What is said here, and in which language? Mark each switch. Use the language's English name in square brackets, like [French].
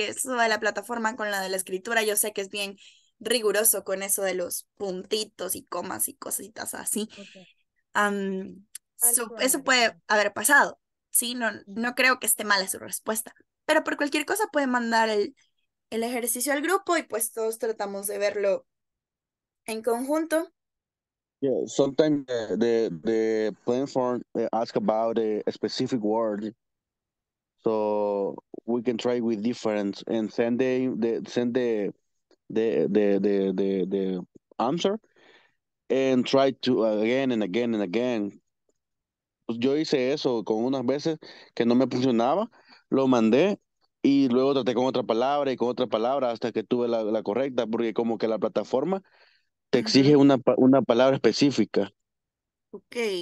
[Spanish] Eso de la plataforma con la de la escritura, yo sé que es bien riguroso con eso de los puntitos y comas y cositas así. [English] Okay. [Spanish] So, eso puede haber pasado. Sí, no creo que esté mala su respuesta. Pero por cualquier cosa puede mandar el ejercicio al grupo y pues todos tratamos de verlo en conjunto. [English] Yeah, sometimes the platform ask about a specific word, so we can try with different and send the answer and try to again and again and again. [Spanish] Yo hice eso con unas veces que no me funcionaba, lo mandé y luego traté con otra palabra y con otra palabra hasta que tuve la correcta, porque como que la plataforma te exige una palabra específica. [English] Ok.